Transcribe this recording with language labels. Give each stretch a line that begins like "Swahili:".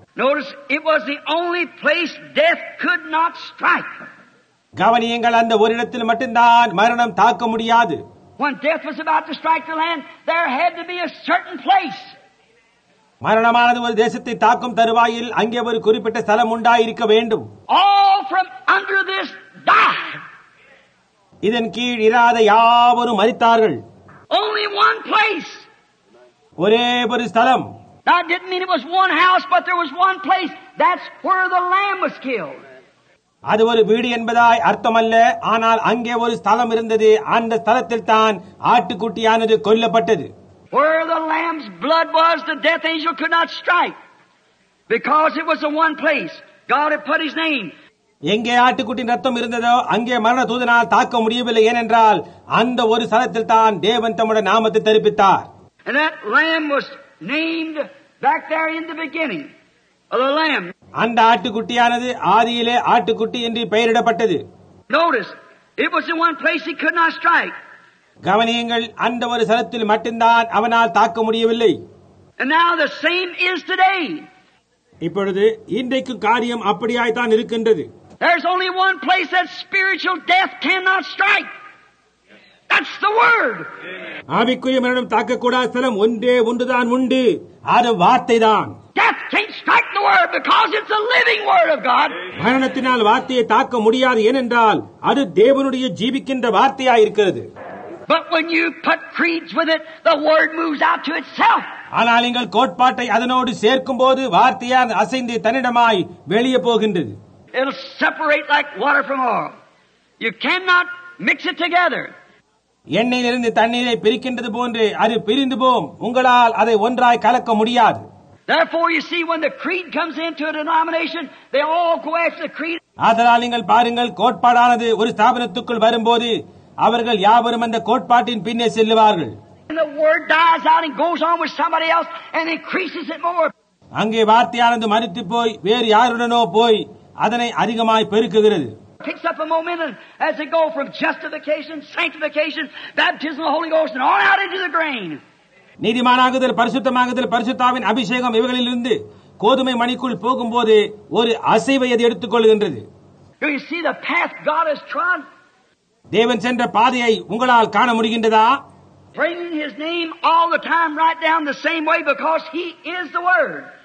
English: Notice it was the only place death could not strike.
Tamil: கவனியங்கள் அந்த ஒரு இடத்தில் மட்டும்தான் மரணம் தாக்க முடியாது.
English: When death was about to strike the land, there had to be a certain place.
Tamil: மரணமானது ஒரு தேசத்தை தாக்கும் தருவாயில் அங்கே ஒரு குறிப்பிட்ட ஸ்தலம் உண்டாயிருக்க வேண்டும்.
English: All from under this die.
Tamil: இதன் கீழ் இராத யாவரும் மரித்தார்கள்.
English: Only one place.
Tamil: ஒரே ஒரு ஸ்தலம்.
English: That didn't mean it was one house, but there was one place. That's where the lamb was killed.
Tamil: அது ஒரு வீடு என்பதாய் அர்த்தம் அல்ல, ஆனால் அங்கே ஒரு ஸ்தலம் இருந்தது. அந்த ஸ்தலத்தில் தான் ஆட்டுக்குட்டியானது கொல்லப்பட்டது.
English: Where the lamb's blood was, the death angel could not strike. Because it was the one place. God had put his name.
Tamil: எங்கே ஆட்டுக்குட்டி ரத்தம் இருந்ததோ அங்கே மரண தூதனால் தாக்க முடியவில்லை. ஏனென்றால் அந்த ஒரு ஸ்தலத்தில் தான் தேவன் தம்முடைய நாமத்தை தரிப்பித்தார்.
English: And that lamb was named back there in the beginning. The lamb.
Tamil: அந்த ஆட்டுக்குட்டியானது ஆதியிலே ஆட்டுக்குட்டி என்று பெயரிடப்பட்டது.
English: Notice, it was the one place he could not strike.
Tamil: கவனியங்கள், அந்த ஒரு ஸ்தலத்தில் மட்டும்தான் அவனால் தாக்க முடியவில்லை.
English: And now the same is today.
Tamil: இப்பொழுது இன்றைக்கு காரியம் அப்படியாய்த்தான் இருக்கின்றது.
English: There's only one place that spiritual death cannot strike. That's the word.
Tamil: ஆவிக்குரிய மரணம் தாக்கக்கூடாத ஸ்தலம் ஒன்றே ஒன்றுதான் உண்டு. அது வார்த்தைதான்.
English: Death can't strike the word because it's a living word of God.
Tamil: மரணத்தினால் வார்த்தையை தாக்க முடியாது. ஏனென்றால் அது தேவனுடைய ஜீவிக்கின்ற வார்த்தையாயிருக்கிறது.
English: But when you put creeds with it, the word moves out to itself.
Tamil: ஆனால் நீங்கள் கோட்பாட்டை அதனோடு சேர்க்கும் போது வார்த்தையால் அசைந்து தன்னிடமாய் வெளியே போகின்றது.
English: It'll separate like water from oil. You cannot mix it together.
Tamil: எண்ணெயிலிருந்து தண்ணீரை பிரிக்கின்றது போன்று அது பிரிந்து போகும். உங்களால் அதை ஒன்றாய் கலக்க முடியாது.
English: Therefore you see when the creed comes into a denomination they all go after the creed.
Tamil: அதனால் நீங்கள் பாருங்கள், கோட்பாடானது ஒரு ஸ்தாபனத்துக்குள் வரும்போது அவர்கள் யாவரும் அந்த கோட்பாட்டின் பின்னே செல்லுவார்கள்.
English: And the word dies out and goes on with somebody else and increases it more.
Tamil: அங்கே வார்த்தையானது மரித்து போய் வேறு யாருடனோ போய் அதனை அதிகமாய் பெருக்குகிறது.
English: Picks up a momentum as it go from justification, sanctification, baptism of the Holy Ghost and on out into the grain.
Tamil: நீதிமானாகுதல், பரிசுத்தமாகுதல், பரிசுத்தாவின் அபிஷேகம் இவைகளிலிருந்து கோதுமை மணிக்குள் போகும் போது ஒரு அசைவை அது எடுத்துக் கொள்கின்றது. தேவன் சென்ற பாதையை உங்களால் காண முடிகின்றதா?
English: Bringing his name all the time right down the same way because he is the word.